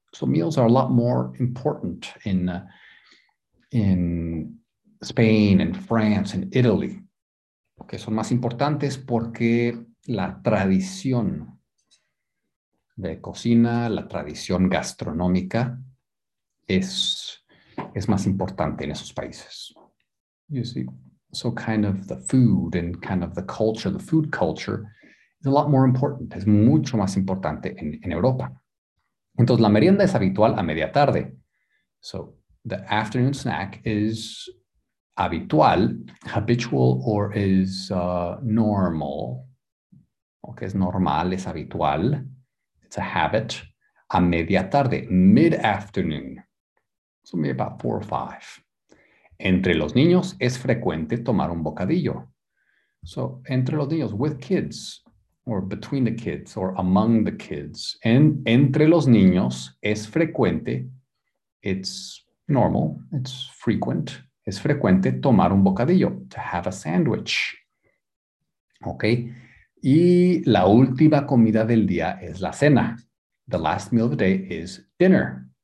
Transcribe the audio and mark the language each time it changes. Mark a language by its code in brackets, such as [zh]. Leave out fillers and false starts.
[en] So meals are a lot more important in Spain and France and Italy. [es] Okay, son más importantes porque la tradición de cocina, la tradición gastronómica es más importante en esos países. [en] You see, so kind of the food and kind of the culture, the food culture is a lot more important. [es] Es mucho más importante en Europa. Entonces, la merienda es habitual a media tarde. [en] So, the afternoon snack is habitual, habitual, or is normal. [es] Okay, es normal, es habitual. [en] It's a habit. [es] A media tarde, [en] mid-afternoon. So, maybe about 4 or 5. [es] Entre los niños es frecuente tomar un bocadillo. [en] So, [es] entre los niños, [en] with kids, or between the kids, or among the kids. [es] Entre los niños es frecuente, [en] it's normal, it's frequent. [es] Es frecuente tomar un bocadillo, [en] to have a sandwich. [es] Okay. Y la última comida del día es la cena. [en] The last meal of the day is dinner.